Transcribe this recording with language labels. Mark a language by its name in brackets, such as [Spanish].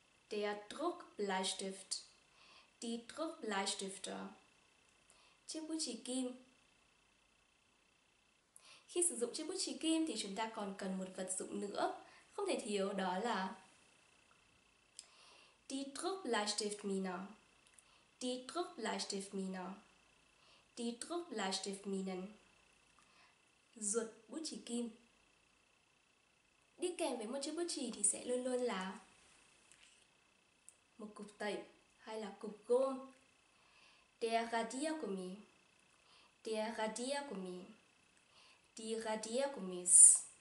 [German] Der Druckbleistift. Die Druckbleistifter. [Vietnamese] Chiếc bút chì kim. Khi sử dụng chiếc bút chì kim thì chúng ta còn cần một vật dụng nữa không thể thiếu, đó là [German] Die Druckbleistiftmine. Die Druckbleistiftmine. Die Druckbleistiftminen. [Vietnamese] Ruột bút chì kim. Đi kèm với một chiếc bút chì thì sẽ luôn luôn là một cục tẩy hay là cục gôm. [German] Der Radiergummi. Der Radiergummi. Die Radiergummis.